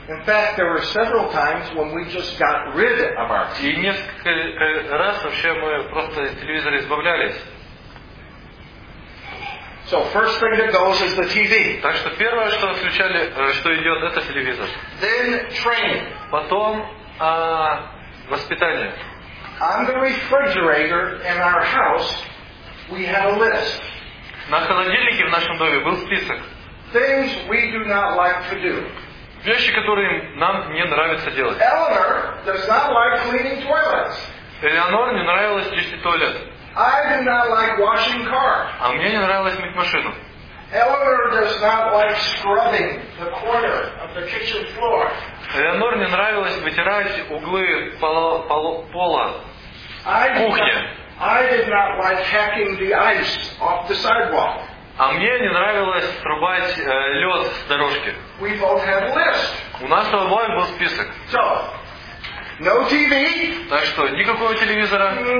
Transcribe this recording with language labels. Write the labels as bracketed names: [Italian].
[English] In fact, there were several times when we just got rid of our TV. [Russian] И несколько раз вообще мы просто из телевизора избавлялись. [English] So first thing that goes is the TV. [Russian] Так что первое, что включали, что идет, это телевизор. [English] Then training. [Russian] Потом воспитание. [English] On the refrigerator in our house we had a list. [Russian] На холодильнике в нашем доме был список. [English] Things we do not like to do. [Russian] Вещи, которые нам не нравится делать. [English] Eleanor does not like cleaning toilets. [Russian] Элеонор не нравилось чистить туалет. [English] I do not like washing cars. [Russian] А мне не нравилось мыть машину. [English] Eleanor does not like scrubbing the corner of the kitchen floor. [Russian] Eleanor не нравилось вытирать углы пола в кухне. [English] I did not like hacking the ice off the sidewalk. [Russian] А мне не нравилось рубать лед с дорожки. [English] We both had a list. [Russian] У нас у обоих был список. [English] So, no TV. [Russian] Так что никакого телевизора.